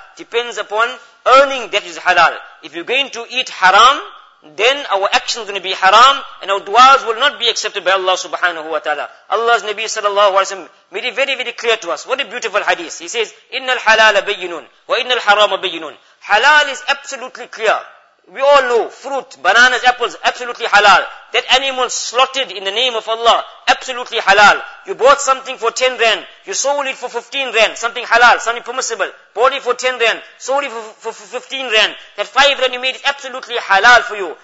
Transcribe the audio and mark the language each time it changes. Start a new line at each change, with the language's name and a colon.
English: Depends upon earning that which is halal. If you're going to eat haram, then our actions are going to be haram and our du'as will not be accepted by Allah subhanahu wa ta'ala. Allah's Nabi sallallahu alayhi wa sallam made it very, very clear to us. What a beautiful hadith. He says,
Arabic: إِنَّ الْحَلَالَ بَيِّنُونَ وَإِنَّ الْحَرَامَ بَيِّنُونَ.
English: Halal is absolutely clear. We all know, fruit, bananas, apples, absolutely halal. That animal slaughtered in the name of Allah, absolutely halal. You bought something for 10 rand, you sold it for 15 rand, something halal, something permissible. Bought it for 10 rand, sold it for 15 rand. That 5 rand you made is absolutely halal for you.